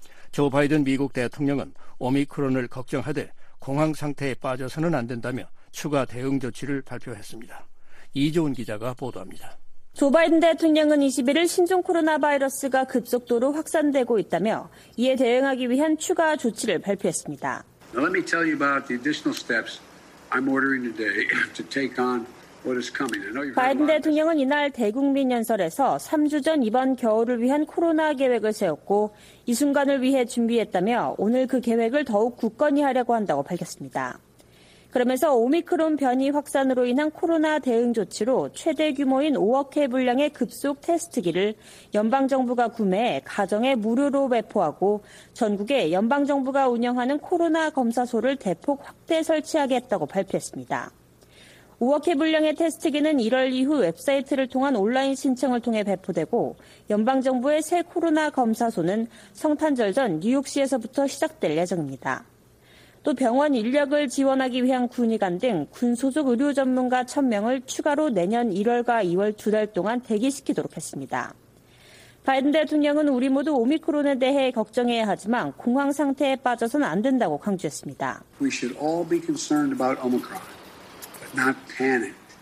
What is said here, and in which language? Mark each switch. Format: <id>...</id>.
<ko>조 바이든 미국 대통령은 오미크론을 걱정하되 공황 상태에 빠져서는 안 된다며 추가 대응 조치를 발표했습니다. 이조은 기자가 보도합니다. 조 바이든 대통령은 21일 신종 코로나 바이러스가 급속도로 확산되고 있다며 이에 대응하기 위한 추가 조치를 발표했습니다.</ko> <en>Now let me tell you about the additional steps I'm ordering today to take on what is coming. I know you've</en> <ko>바이든 대통령은 이날 대국민 연설에서 3주 전 이번 겨울을 위한 코로나 계획을 세웠고 이 순간을 위해 준비했다며 오늘 그 계획을 더욱 굳건히 하려고 한다고 밝혔습니다. 그러면서 오미크론 변이 확산으로 인한 코로나 대응 조치로 최대 규모인 5억 회 분량의 급속 테스트기를 연방정부가 구매해 가정에 무료로 배포하고 전국에 연방정부가 운영하는 코로나 검사소를 대폭 확대 설치하겠다고 발표했습니다. 5억 회 분량의 테스트기는 1월 이후 웹사이트를 통한 온라인 신청을 통해 배포되고 연방정부의 새 코로나 검사소는 성탄절 전 뉴욕시에서부터 시작될 예정입니다. 또 병원 인력을 지원하기 위한 군의관 등 군 소속 의료 전문가 1,000명을 추가로 내년 1월과 2월 두 달 동안 대기시키도록 했습니다. 바이든 대통령은 우리 모두 오미크론에 대해 걱정해야 하지만 공황 상태에 빠져선 안 된다고 강조했습니다.</ko> <en>We should all be concerned about Omicron, but not panic.</en>